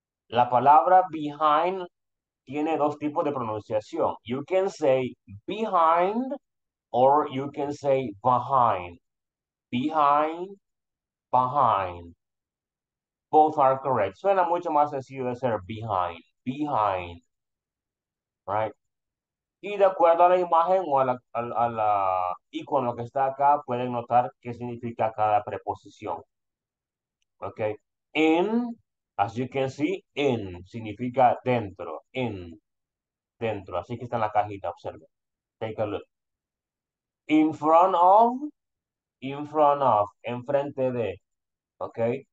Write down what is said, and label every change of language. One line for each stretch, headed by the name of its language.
Spanish: La palabra behind tiene dos tipos de pronunciación.
English: You can say behind or you can say behind. Behind, behind. Both are correct.
Spanish: Suena mucho más sencillo de ser behind. Behind.
English: Right?
Spanish: Y de acuerdo a la imagen o a la icono que está acá, pueden notar qué significa cada preposición.
English: Okay. In, as you can see, in
Spanish: significa dentro. In, dentro. Así que está en la cajita, observe.
English: Take a look. In front of,
Spanish: enfrente de.
English: Okay.